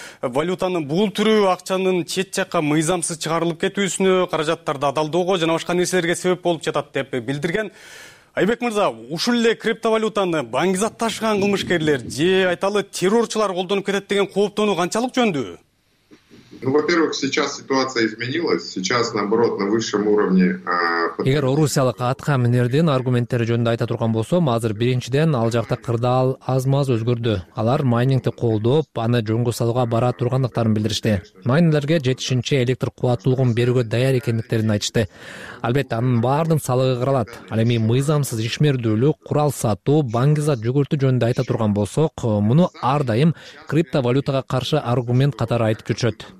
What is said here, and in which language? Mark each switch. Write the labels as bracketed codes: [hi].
[ky] Валютанын бул түрү акчанын чет жакка мыйзамсыз чыгарылып кетүүсүнө, каражаттарды адалдоого жана башка нерселерге себеп болуп жатат деп билдирген. Айбек мырза, ушул эле криптовалютаны баңгизат ташыган кылмышкерлер же айталы террорчулар колдонуп кетет деген кооптонуу канчалык жөндүү? [ru] Ну, во-первых, сейчас ситуация изменилась. Сейчас, наоборот, на высшем уровне [ky] эгер орусиялык атка минердин аргументтери жөнүндө айта турган болсом, азыр биринчиден ал жакта кырдаал аз-маз өзгөрдү. Алар майнингди колдоп, аны жөнгө салууга бара тургандыктарын билдиришти. Майнерлерге жетишинче электр кубаттуулугун берүүгө даяр экендиктерин айтышты. Албетте, анын баардын салыгы кыралат. Ал эми мыйзамсыз ишмердүүлүк, курал сатуу, баңгизат жүгүртүү жөнүндө айта турган болсок, муну ар дайым криптовалютага каршы аргумент катары айтып жүрүшөт.